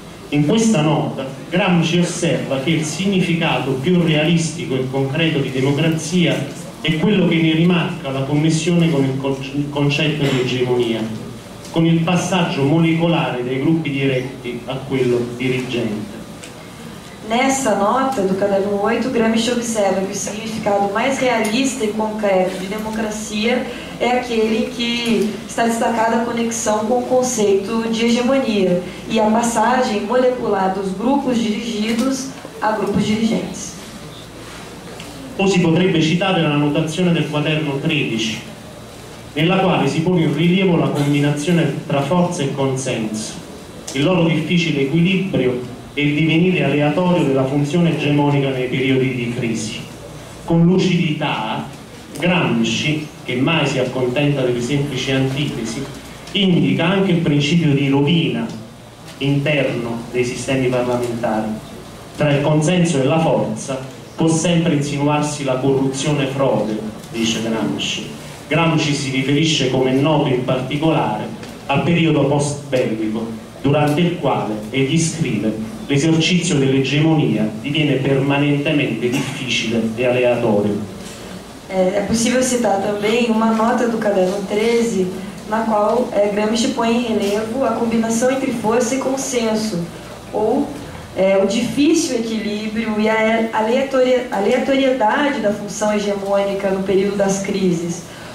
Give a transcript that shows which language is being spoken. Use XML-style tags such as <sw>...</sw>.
<it>In questa nota, Gramsci osserva che il significato più realistico e concreto di democrazia è quello che ne rimarca la connessione con il concetto di egemonia, con il passaggio molecolare dai gruppi diretti a quello dirigente.</it> <pt>Nessa nota do caderno 8, Gramsci</pt> <it>osserva che il significato</it> <pt>mais realista e concreto</pt> <it>di democrazia</it> <pt>é aquele que está destacada a conexão com o conceito de hegemonia e a passagem molecular dos grupos dirigidos a grupos dirigentes.</pt> <it>Ou si potrebbe citare la notazione del quaderno 13, nella quale si pone in rilievo la combinazione tra forza e consenso, il loro difficile equilibrio e il divenire aleatorio della funzione egemonica nei periodi di crisi. Con lucidità, Gramsci, che mai si accontenta delle semplici antitesi, indica anche il principio di rovina interno dei sistemi parlamentari. Tra il consenso e la forza può sempre insinuarsi la corruzione e frode, dice Gramsci. Gramsci si riferisce, come noto in particolare, al periodo post-bellico, durante il quale, egli scrive, l'esercizio dell'egemonia diviene permanentemente difficile e aleatorio.</it> <pt>É possível citar também uma nota do caderno 13, na qual Gramsci põe em relevo a combinação entre força e consenso, ou o difícil equilíbrio e a aleatoriedade da função hegemônica no período das crises.</pt>